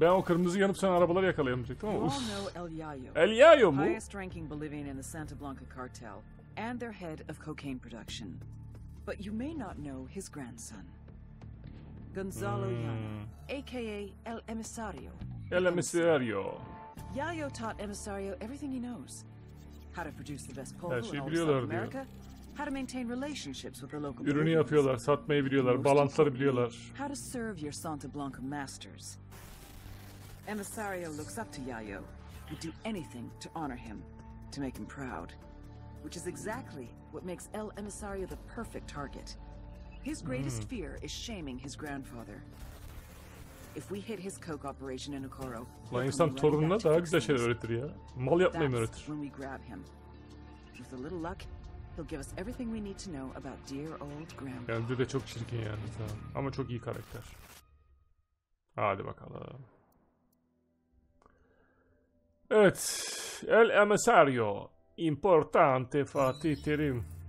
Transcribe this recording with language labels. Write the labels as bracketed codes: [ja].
[tr] Ben o kırmızı yanıp sen arabaları yakalayalım diyecektim ama uff. El Yayo mu? [en] Highest ranking Bolivian in the Santa Blanca cartel and their head of cocaine production. But you may not know his grandson. Gonzalo Yayo, a.k.a. El Emisario. El Emisario. Yayo taught Emisario everything he knows. How to produce the best polo in all of South America. How to maintain relationships with the local [tr] people. Ürünü yapıyorlar, satmayı biliyorlar, balansları biliyorlar. [en] How to serve your Santa Blanca masters. Emisario looks up to Yayo. Would do anything to honor him, to make him proud. Which is exactly what makes El Emisario the perfect target. His greatest fear is shaming his grandfather. If we hit his coke operation in Ocoro, [tr] lan insan torununa daha güzel şeyler öğretir ya. Mal yapmayı mı öğretir? [en] When we grab him. With a little luck, he'll give us everything we need to know about dear old grandpa. [tr] Yani dede çok çirkin yani tamam. Ama çok iyi karakter. Hadi bakalım. Evet. El Emisario. Importante Fatih Terim.